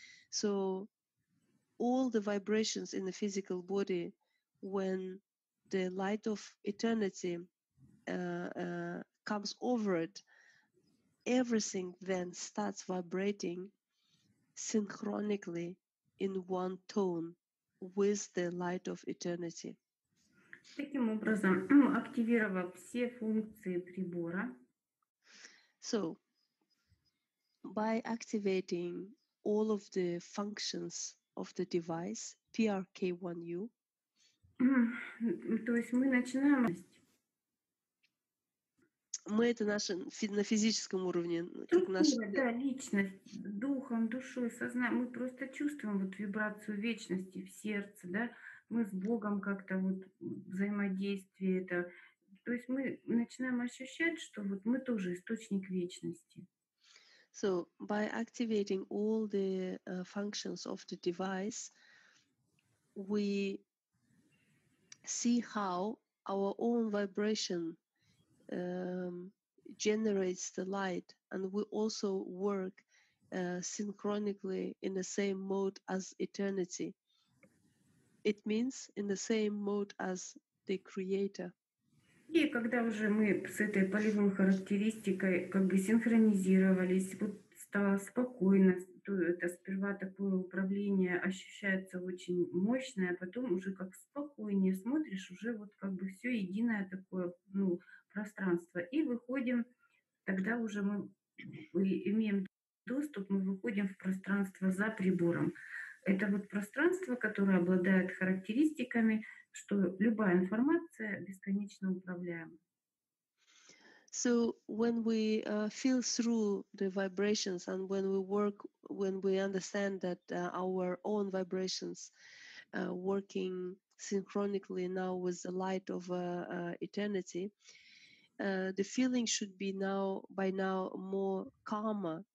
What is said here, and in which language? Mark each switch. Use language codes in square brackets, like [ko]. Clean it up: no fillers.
[en] So all the vibrations in the physical body, when the light of eternity comes over it, everything then starts vibrating synchronically in one tone with the light of eternity. [ru] Таким образом, активировав все функции прибора. [en] So, by activating all of the functions of the device, PRK1U, [ru] то есть мы начинаем... Мы это наше на физическом уровне, тут как наше. Да, личность, духом, душой, сознанием. Мы просто чувствуем вот вибрацию вечности в сердце, да. Мы с Богом как-то вот взаимодействие это. То есть мы начинаем ощущать, что вот мы тоже источник вечности. [en] So by activating all the functions of the device, we see how our own vibration generates the light, and we also work synchronically in the same mode as eternity. It means in the same mode as the creator. [ru] И когда уже мы с этой полевой характеристикой как бы синхронизировались, вот стало спокойно, то это сперва такое управление ощущается очень мощное, а потом уже как спокойнее смотришь, уже вот как бы все единое такое, ну, пространство. И выходим, тогда уже мы имеем доступ, мы выходим в пространство за прибором. Это вот пространство, которое обладает характеристиками, что любая информация бесконечно управляема. [en] So when we feel through the vibrations, and when we work, when we understand that our own vibrations working synchronically now with the light of eternity, the feeling should be now, by now, more calmer.